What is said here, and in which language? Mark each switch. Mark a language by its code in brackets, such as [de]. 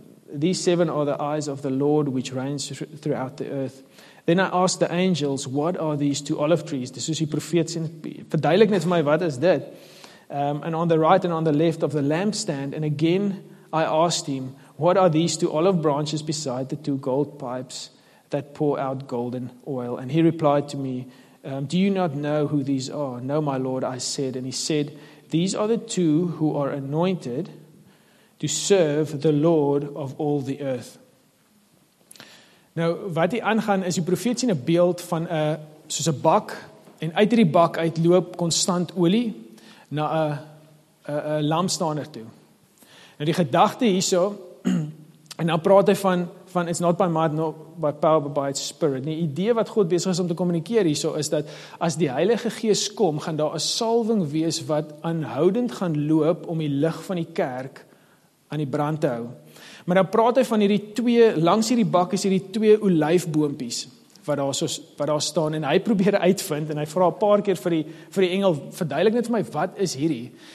[en] These 7 are the eyes of the Lord which reigns throughout the earth. Then I asked the angels, what are these 2 olive trees? [af] Dis soos die profeet sê, verduidelik net vir my, wat is dit? [en] And on the right and on the left of the lampstand, and again I asked him, what are these 2 olive branches beside the 2 gold pipes that pour out golden oil? And he replied to me, do you not know who these are? No, my Lord, I said. And he said, these are the 2 who are anointed to serve the Lord of all the earth. [af] Nou, wat hier aangaan is die profeet sien 'n beeld van 'n soos 'n bak en uit hierdie bak uitloop konstant olie na 'n lampstander toe. Nou die gedagte hierso en nou praat hy van [en] it's not by might nor by power but by its spirit. [af] Die idee wat God besig is om te kommunikeer hierso is dat as die Heilige Gees kom, gaan daar 'n salwing wees wat aanhoudend gaan loop om die lig van die kerk aan die brand te hou. Maar nou praat hy van hierdie 2, langs hierdie bak is hierdie 2 olyfboompies wat daar staan en hy probeer uitvind en hy vra 'n paar keer vir die engel, verduidelik net vir my, wat is hierdie?